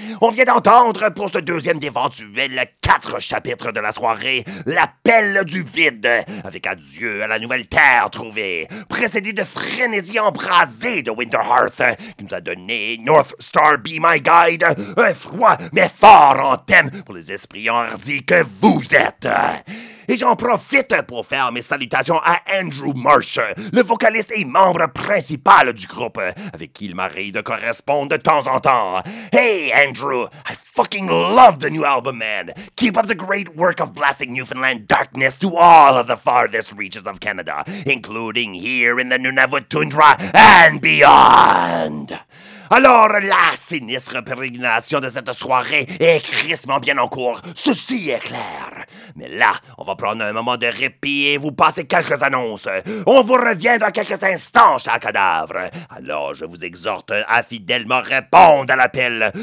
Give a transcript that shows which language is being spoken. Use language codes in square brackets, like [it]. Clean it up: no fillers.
[fr] On vient d'entendre, pour ce deuxième d'éventuel 4 chapitres de la soirée, l'appel du vide, avec adieu à la nouvelle terre trouvée, précédé de frénésie embrasée de Winterhearth, qui nous a donné North Star Be My Guide, un froid mais fort en thème pour les esprits hardis que vous êtes. Et j'en profite pour faire mes salutations à Andrew Marsh, le vocaliste et membre principal du groupe, avec qui il m'arrive de correspondre de temps en temps. [en] Hey Andrew, I fucking love the new album, man. Keep up the great work of blasting Newfoundland darkness to all of the farthest reaches of Canada, including here in the Nunavut Tundra and beyond. [fr] Alors, la sinistre pérégrination de cette soirée est crissement bien en cours, ceci est clair. Mais là, on va prendre un moment de répit et vous passer quelques annonces. On vous revient dans quelques instants, chers cadavres. Alors, je vous exhorte à fidèlement répondre à l'appel.